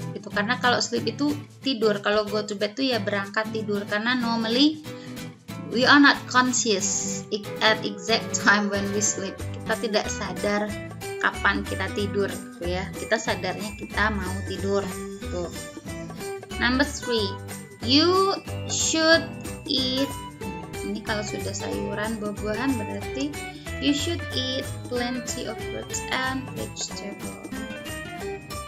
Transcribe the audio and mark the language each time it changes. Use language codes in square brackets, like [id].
[id] Itu karena kalau sleep itu tidur, kalau go to bed itu ya berangkat tidur. [en] Karena normally, we are not conscious at exact time when we sleep. [id] Kita tidak sadar kapan kita tidur, gitu ya. Kita sadarnya kita mau tidur, gitu. [en] Number 3, you should eat, [id] ini kalau sudah sayuran, buah-buahan berarti [en] you should eat plenty of fruits and vegetables.